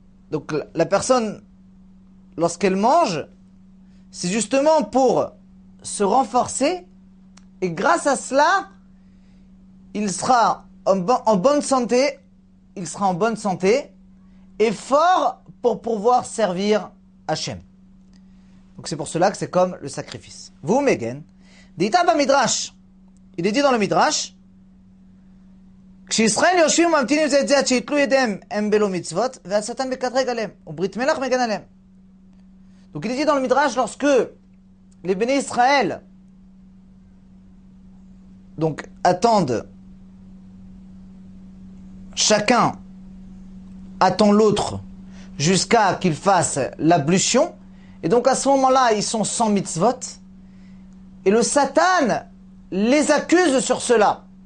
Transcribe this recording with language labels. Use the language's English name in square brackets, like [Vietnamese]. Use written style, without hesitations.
[French] Donc la personne, lorsqu'elle mange, c'est justement pour se renforcer et grâce à cela, il sera en bonne santé, il sera en bonne santé et fort pour pouvoir servir Hachem. Donc c'est pour cela que c'est comme le sacrifice. Vous, Megan, dit Abba Midrash, il est dit dans le Midrash, [Hebrew] כשישראל יושבים וממתינים זה את זה עד שיתלו ידיהם הם בלא מצוות והשטן מקטרג עליהם וברית מלח מגן עליהם. [French] Donc il est dit dans le Midrash, lorsque les béné Israël donc attendent chacun attend l'autre jusqu'à qu'ils fassent l'ablution et donc à ce moment-là ils sont sans mitzvot et le Satan les accuse sur cela.